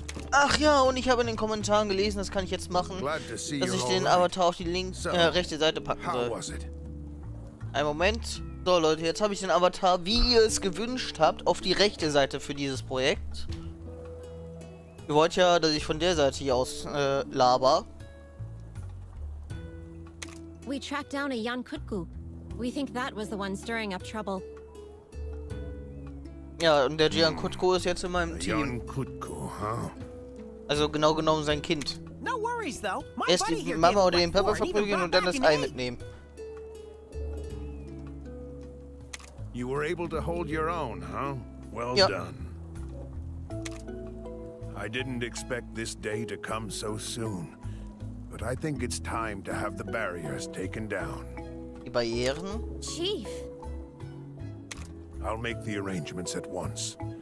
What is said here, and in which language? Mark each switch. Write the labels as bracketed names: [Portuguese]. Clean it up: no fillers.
[German] Ach ja, und ich habe in den Kommentaren gelesen, das kann ich jetzt machen, dass ich den Avatar auf die rechte Seite packen soll. Ein Moment. So Leute, jetzt habe ich den Avatar, wie ihr es gewünscht habt, auf die rechte Seite für dieses Projekt. Ihr wollt ja, dass ich von der Seite hier aus laber. [English] We tracked down a Yan Kutku. We think that was the one stirring up trouble. [German] Ja, und der Yan Kutku ist jetzt in meinem Team. Yan Kutku, huh? Also genau genommen sein Kind. Erst die Mama oder den Papa verprügeln und dann das Ei mitnehmen. [English] You were able to hold your own, huh? Well done. I didn't expect this day to come so soon, but I think it's time to have the barriers taken down. [German] Die Barrieren? [English] Chief. I'll make the arrangements at once.